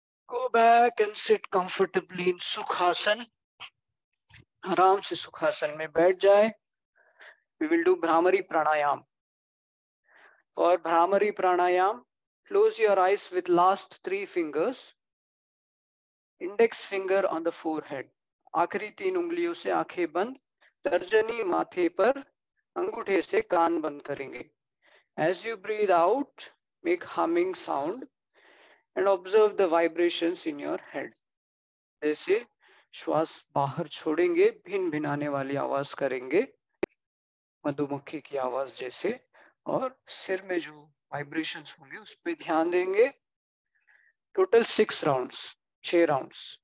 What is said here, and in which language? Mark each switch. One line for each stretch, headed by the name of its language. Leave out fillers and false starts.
English: Go back and sit comfortably in Sukhasana.
Hindi: Aram se Sukhasana mein baith jaye.
English: We will do Bhramari Pranayam. For Bhramari Pranayam, close your eyes with last three fingers. Index finger on the forehead.
Hindi: आखिरी तीन उंगलियों से आंखें बंद, तर्जनी माथे पर अंगूठे से कान बंद करेंगे.
English: As you breathe out make humming sound and observe the vibrations in your head.
Hindi: जैसे श्वास बाहर छोड़ेंगे भिन भिन आने वाली आवाज करेंगे, मधुमक्खी की आवाज जैसे, और सिर में जो वाइब्रेशंस होंगे उस पर ध्यान देंगे.
English: Total 6 rounds, 6 rounds.